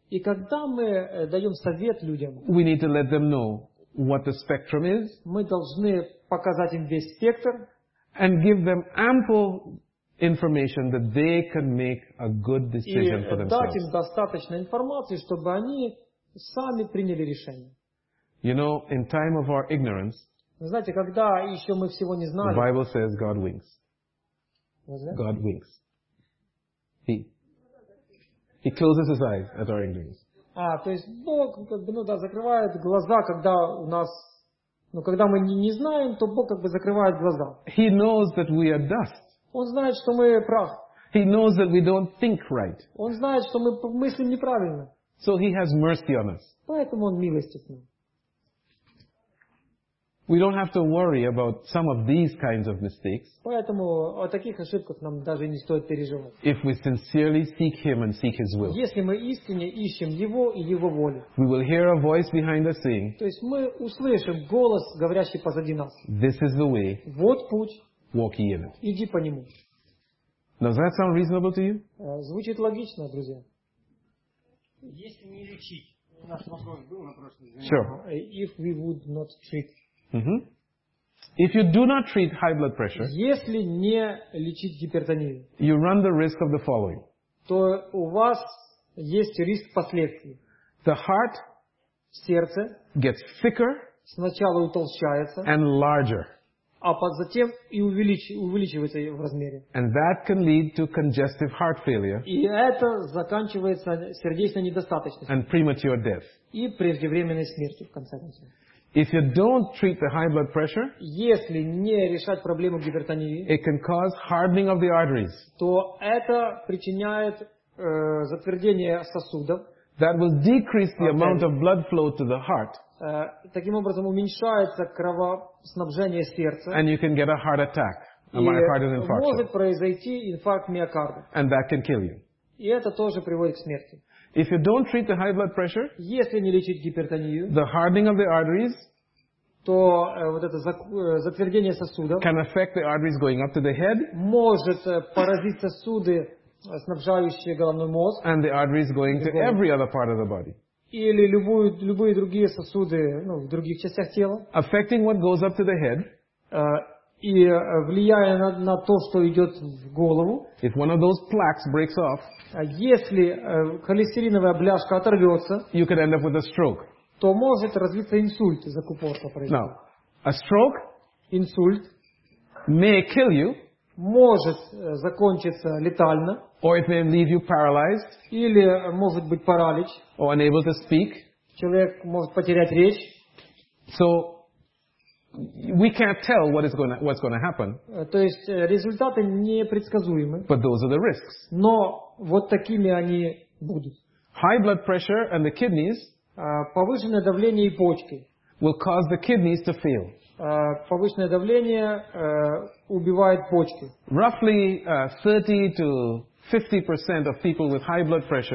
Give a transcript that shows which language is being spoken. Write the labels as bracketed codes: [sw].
[ru] и когда мы даем совет людям, [en] we need to let them know what the spectrum is. [ru] Мы должны показать им весь спектр. [en] And give them ample information that they can make a good decision for themselves. [ru] И дать им достаточно информации, чтобы они сами приняли решение. [en] You know, in time of our ignorance. [ru] Вы знаете, когда еще мы всего не знали. [en] The Bible says God winks. God winks. He closes his eyes at our ignorance. [ru] А, то есть Бог как бы, ну да, закрывает глаза, когда у нас, ну когда мы не знаем, то Бог как бы закрывает глаза. [en] He knows that we are dust. [ru] Он знает, что мы прах. [en] He knows that we don't think right. [ru] Он знает, что мы мыслим неправильно. [en] So he has mercy on us. [ru] Поэтому он милостив к нам. [en] We don't have to worry about some of these kinds of mistakes. [ru] Поэтому о таких ошибках нам даже не стоит переживать. [en] If we sincerely seek Him and seek His will. [ru] Если мы искренне ищем Его и Его волю. [en] We will hear a voice behind us saying. [ru] То есть мы услышим голос, говорящий позади нас. [en] This is the way. [ru] Вот путь. [en] Walk ye in it. [ru] Иди по нему. [en] Does that sound reasonable to you? [ru] Звучит логично, друзья. Если не лечить. Наш вопрос был на прошлой неделе. [en] If we would not treat. Mm-hmm. If you do not treat high blood pressure, [ru] если не лечить гипертонию, [en] you run the risk of the following. [ru] То у вас есть риск последствий. [en] The heart, [ru] сердце, [en] gets thicker, [ru] сначала утолщается, [en] and larger, [ru] а затем и увеличивается в размере. [en] And that can lead to congestive heart failure. [ru] И это заканчивается сердечной недостаточностью. [en] And premature death. [ru] И преждевременной смертью в конце концов. [en] If you don't treat the high blood pressure, [ru] если не решать проблему гипертонии, [en] it can cause hardening of the arteries. [ru] То это причиняет затвердение сосудов. [en] That will decrease the amount of blood flow to the heart. [ru] Таким образом уменьшается кровоснабжение сердца. [en] And you can get a heart attack, a myocardial infarction. [ru] Может произойти инфаркт миокарда. [en] And that can kill you. [ru] И это тоже приводит к смерти. [en] If you don't treat the high blood pressure, [ru] если не лечить гипертонию, [en] the hardening of the arteries, [ru] то вот это затвердение сосудов, [en] can affect the arteries going up to the head, [ru] может поразить сосуды, снабжающие головной мозг, [en] and the arteries going to every other part of the body, [ru] или любые другие сосуды, ну, в других частях тела, [en] affecting what goes up to the head, [ru] и влияя на то, что идет в голову, [en] if one of those plaques breaks off, [ru] если холестериновая бляшка оторвется, [en] you could end up with a stroke. [ru] То может развиться инсульт из-за купорта. [en] Now, a stroke, [ru] инсульт, [en] may kill you, [ru] может закончиться летально, [en] or it may leave you paralyzed, [ru] или может быть паралич, [en] or unable to speak. [ru] Человек может потерять речь. [en] So, we can't tell what's going to happen. [ru] То есть результаты непредсказуемы. [en] But those are the risks. [ru] Но вот такими они будут. [en] High blood pressure and the kidneys. [ru] Повышенное давление и почки. [en] Will cause the kidneys to fail. [ru] Повышенное давление убивает почки. [en] Roughly 30 to 50% of people with high blood pressure.